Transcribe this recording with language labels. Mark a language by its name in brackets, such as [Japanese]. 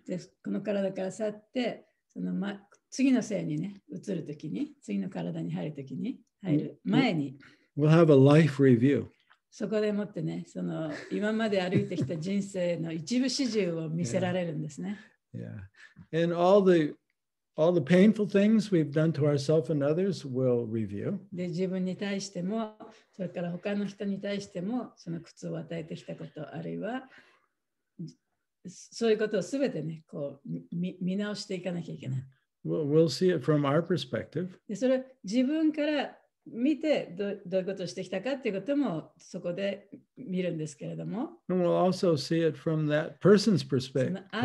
[Japanese] でこの体から去ってその、ま、次の生にね移るときに、次の体に入るときに入る前に、 [English] we'll have a life review. [Japanese] そこでもってね、その今まで歩いてきた人生の一部始終を見せられるんですね。 [English] Yeah. And all the painful things we've done to ourselves and others will review. [Japanese] で、自分に対しても、それから他の人に対しても、その苦痛を与えてきたこと、あるいは、そういうことをすべてね、こう見直していかなきゃいけない。 [English] We'll see it from our perspective. [Japanese] で、それ自分から見てどういうことをしてきたかということもそこで見るんですけれども。 [English] And we'll also see it from that person's perspective.